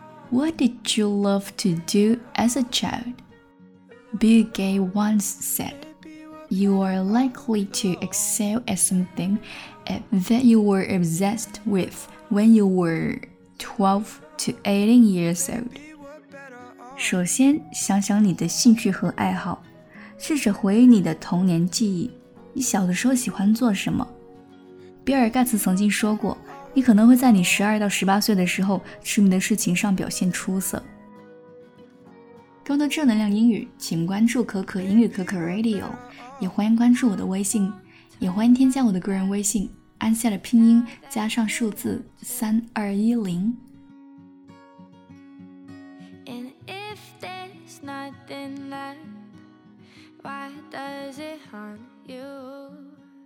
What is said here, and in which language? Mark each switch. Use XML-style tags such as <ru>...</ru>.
<en>What did you love to do as a child? Bill Gates once said, you are likely to excel at somethingthat you were obsessed with when you were 12 to 18 years old.</en> <zh>首先想想你的兴趣和爱好，试着回忆你的童年记忆，你小的时候喜欢做什么。比尔盖茨曾经说过，你可能会在你12到18岁的时候痴迷的事情上表现出色。更多正能量英语请关注可可英语可可 Radio， 也欢迎关注我的微信，也欢迎添加我的个人微信，安夏的拼音加上数字3210。</zh> <en>And if there's nothing left, why does it haunt you?</en>